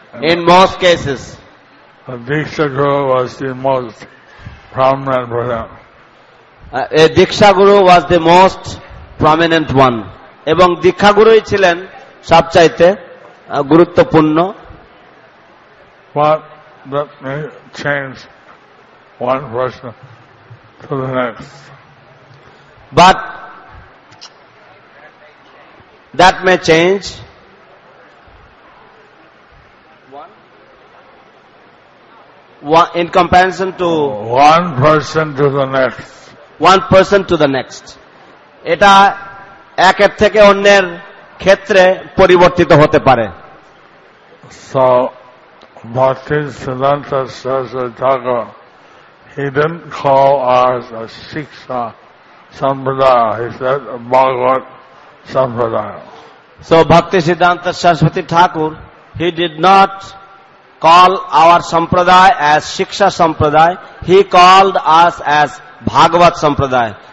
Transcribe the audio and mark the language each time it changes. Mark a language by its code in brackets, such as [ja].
[en] In most cases, Diksha Guru was the most prominent one. Diksha Guru was the most prominent one. [bn] এবং দীক্ষা গুরুই ছিলেন সবচাইতে গুরুত্বপূর্ণ. [en] But that may change one person to the next. But that may change. One in comparison to one person to the next. One person to the next. [bn] এটা একের থেকে অন্যের ক্ষেত্রে পরিবর্তিত হতে পারে. [en] So Bhakti Siddhanta Saraswati Thakur, he didn't call us a Shiksha Sampradaya. He said Bhagavat Sampradaya. So Bhakti Siddhanta Saraswati Thakur, he did not call our sampradaya as Shiksha Sampradaya, he called us as Bhagavat Sampradaya.